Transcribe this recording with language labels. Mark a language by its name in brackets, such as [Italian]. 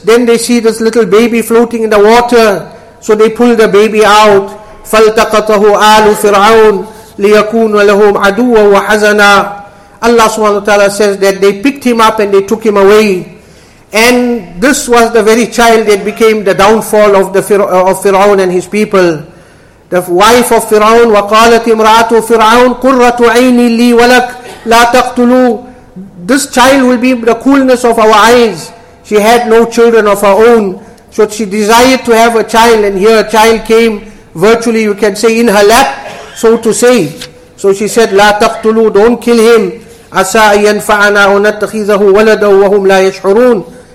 [English] Then they see this little baby floating in the water. So they pull the baby out. [Arabic] فَالْتَقَطَهُ آلُ فِرْعَوْنَ لِيَكُونَ لَهُمْ عَدُوًا وَحَزَنًا. [English] Allah subhanahu wa ta'ala says that they picked him up and they took him away. And this was the very child that became the downfall of Fir'aun and his people. The wife of Fir'aun, [Arabic] وَقَالَتْ إِمْرَأَةُ فِرْعَوْنَ قُرَّةُ عَيْنِ لِي وَلَكْ لَا تَقْتُلُوهُ. [English] This child will be the coolness of our eyes. She had no children of her own, so she desired to have a child, and here a child came virtually, you can say, in her lap, so to say. So she said, [Arabic] لَا تَقْتُلُوا, [English] don't kill him. [Arabic] أَسَىٰ يَنْفَعَنَا وَنَتَّخِذَهُ وَلَدًا وَهُمْ لَا يَشْعُرُونَ.